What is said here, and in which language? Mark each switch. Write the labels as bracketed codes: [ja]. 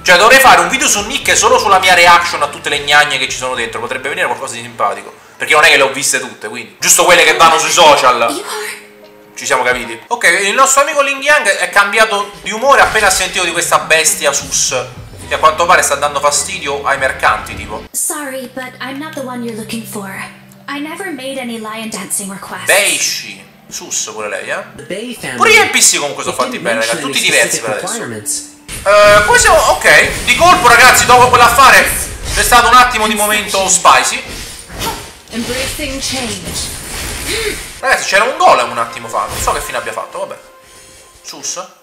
[it] Cioè, dovrei fare un video su Nick solo sulla mia reaction a tutte le gnagne che ci sono dentro. Potrebbe venire qualcosa di simpatico. Perché non è che le ho viste tutte, quindi. Giusto quelle che vanno sui social. Ci siamo capiti. Ok, il nostro amico Ling Yang è cambiato di umore appena ha sentito di questa bestia sus. Che a quanto pare sta dando fastidio ai mercanti, tipo. [en] Sorry, but I'm not the one you're looking for. I never made any lion dancing requests. [it] Beishi. Sus pure lei, eh. Pure gli NPC comunque sono fatti bene, ragazzi. Tutti diversi per adesso. Poi siamo... ok. Di colpo, ragazzi, dopo quell'affare c'è stato un attimo di momento spicy. [en] Embracing change. [it] Ragazzi, c'era un golem un attimo fa, non so che fine abbia fatto, vabbè. Sus.